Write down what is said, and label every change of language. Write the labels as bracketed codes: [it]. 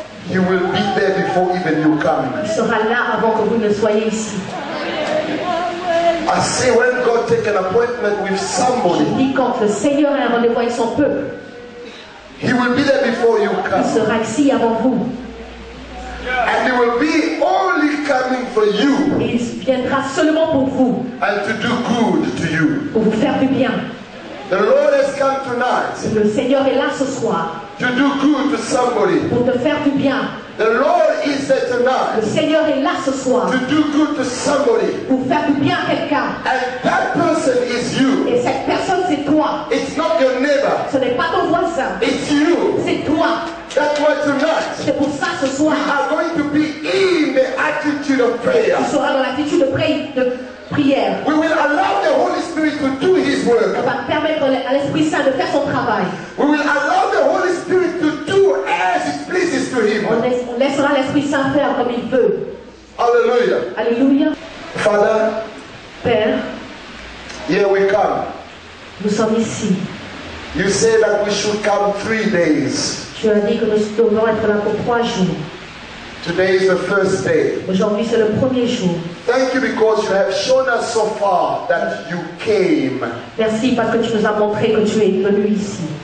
[en] You will be there before even you come. [fr] Il sera là avant que vous ne soyez ici. [en] I see when God takes an appointment with somebody. [fr] Je dis quand le Seigneur a un rendez-vous avec son peuple. [en] He will be there before you come. [fr] Il sera ici avant vous. [en] And he will be only coming for you. [fr] Il viendra seulement pour vous. [en] And to do good to you. [fr] Pour vous faire du bien. [en] The Lord has come tonight. [fr] Le Seigneur est là ce soir. [en] To do good to somebody. [fr] Pour te faire du bien. [en] The Lord is there tonight. [fr] Le Seigneur est là ce soir. [en] To do good to somebody. [fr] Pour faire du bien à quelqu'un. [en] And that person is you. [fr] Et cette personne c'est toi. [en] It's not your neighbor. [fr] Ce n'est pas ton voisin. [en] It's you. [fr] C'est toi. [en] That's why tonight. [fr] C'est pour ça ce soir. [en] You are going to be in the attitude of prayer. [fr] Tu seras dans l'attitude de prière. [en] We will allow the Holy Spirit to do His work. [fr] On va permettre à l'Esprit Saint de faire son travail. [en] We will allow the Holy Spirit to do as it pleases to Him. [fr] On laissera l'Esprit Saint faire comme il veut. [en] Alléluia. [fr] Alléluia. [en] Father. [fr] Père. [en] Here we come. [fr] Nous sommes ici. [en] You say that we should come 3 days. [fr] Tu as dit que nous devons être là pour 3 jours. [en] Today is the first day. [fr] Aujourd'hui c'est le premier jour. [en] Thank you because you have shown us so far that you came. [fr] Merci parce que tu nous as montré que tu es venu ici.